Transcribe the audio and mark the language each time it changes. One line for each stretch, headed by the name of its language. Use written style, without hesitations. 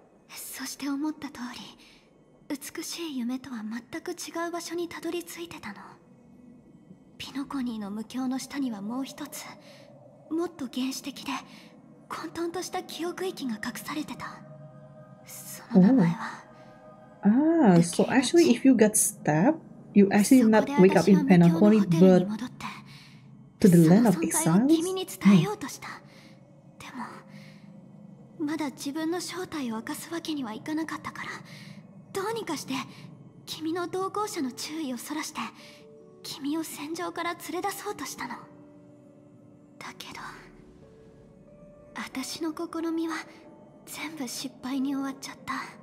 Japanese: そして思った通り、美しい夢とは全く違う場所にたどり着いてたの。ピノコニーの無境の下にはもう一つ、もっと原始的で混沌とした記憶域が隠されてた。その名前は、
English: So actually if you get stabbed, you actually not wake up in Penacony, but to the land of exiles?
Japanese: 君に伝えようとした。でも、まだ自分の正体を明かすわけにはいかなかったから、どうにかして君の同行者の注意をそらして、君を戦場から連れ出そうとしたの。だけど、私の試みは全部失敗に終わっちゃった。